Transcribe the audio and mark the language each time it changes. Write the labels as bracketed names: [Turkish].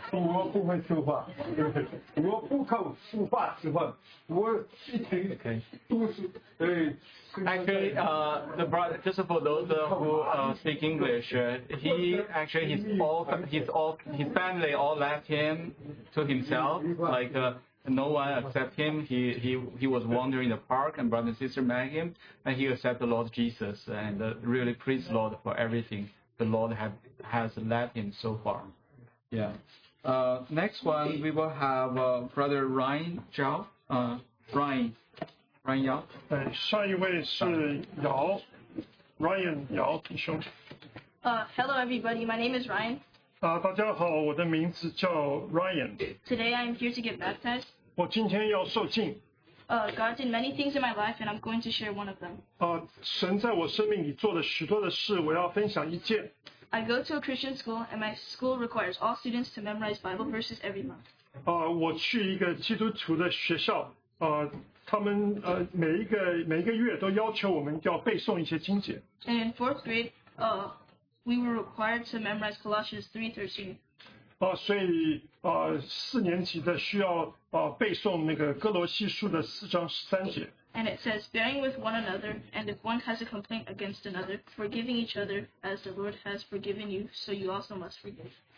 [Chinese] 我不会说话，我不靠说话吃饭，我一天都是。 [English] Actually, the brother, just for those who speak English, his family all left him to himself, like. No one accept him. He was wandering in the park, and brother and sister met him, and he accepted the Lord Jesus and really praised the Lord for everything the Lord has led him so far. Yeah. Next one, we will have brother Ryan Zhao. Ryan Yao. [Chinese] 下一位是姚 Ryan 姚弟兄。 [English] Hello, everybody. My name is Ryan. [Chinese] 大家好，我的名字叫 Ryan. [English] Today I am here to get baptized. [Chinese] 我今天要受浸。 [English] God did many things in my life, and I'm going to share one of them. [Chinese] 神在我生命里做了许多的事，我要分享一件。 [English] I go to a Christian school, and my school requires all students to memorize Bible verses every month. [Chinese] 我去一个基督徒的学校。他们每一个月都要求我们要背诵一些经节。 [English] And in fourth grade, we were required to memorize Colossians 3:13. [Chinese] 所以四年级的需要背诵那个哥罗西书的4:13. [English] And it says, bearing with one another, and if one has a complaint against another, forgiving each other as the Lord has forgiven you, so you also must forgive.